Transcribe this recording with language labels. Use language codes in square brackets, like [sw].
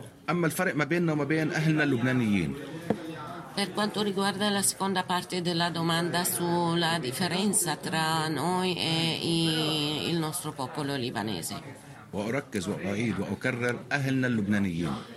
[ar] أما الفرق ما بيننا وما بين أهلنا اللبنانيين. [it] Per quanto riguarda la seconda parte della domanda sulla differenza tra noi e il nostro popolo libanese. [ar] وأركز وأعيد وأكرر أهلنا اللبنانيين.